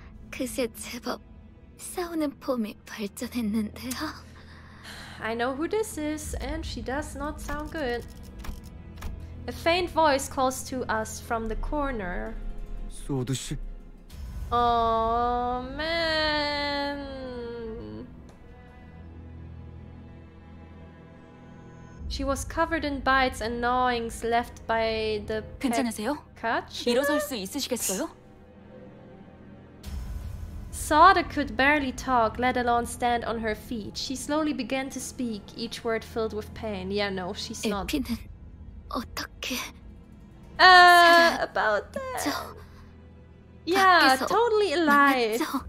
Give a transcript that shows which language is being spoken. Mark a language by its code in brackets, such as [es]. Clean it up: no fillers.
[ko] 그새 제법 싸우는 폼이 발전했는데요. [en] I know who this is, and she does not sound good. A faint voice calls to us from the corner. [ko] Sword씨. [en] Oh man. She was covered in bites and gnawings left by the pet. [ko] 괜찮으세요? 일어설 수 있으시겠어요? [en] Sada could barely talk, let alone stand on her feet. She slowly began to speak, each word filled with pain. Yeah, no, she's not. [ko] 에피는 어떻게 [en] about that. Yeah, totally alive.